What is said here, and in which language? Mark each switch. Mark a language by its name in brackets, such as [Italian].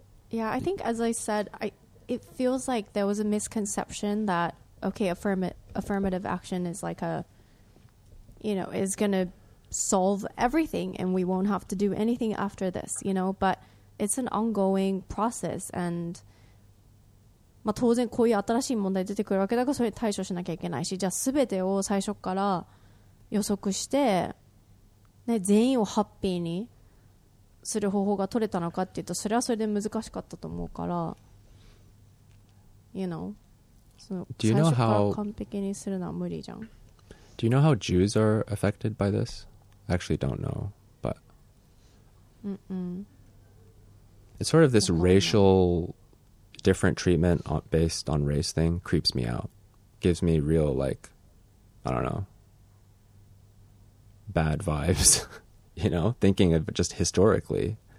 [English] yeah, I think, as I said, it feels like there was a misconception that, okay, affirmative action is like a, you know, is going to solve everything and we won't have to do anything after this, you know, but it's an ongoing process. [Japanese] And まあ、当然こういう新しい問題出てくるわけだからそれに対処しなきゃいけないし、じゃあ全てを最初から予測して、ね、全員をハッピーにする方法が取れたのかっていうと、それはそれで難しかったと思うから、 [English] you know、 [Japanese] その最初から完璧にするのは無理じゃん。 [English] Do you know how Jews are affected by this? I actually don't know, but it's sort of this racial different treatment based on race thing creeps me out. Gives me real, like, I don't know, bad vibes, you know, thinking of just historically.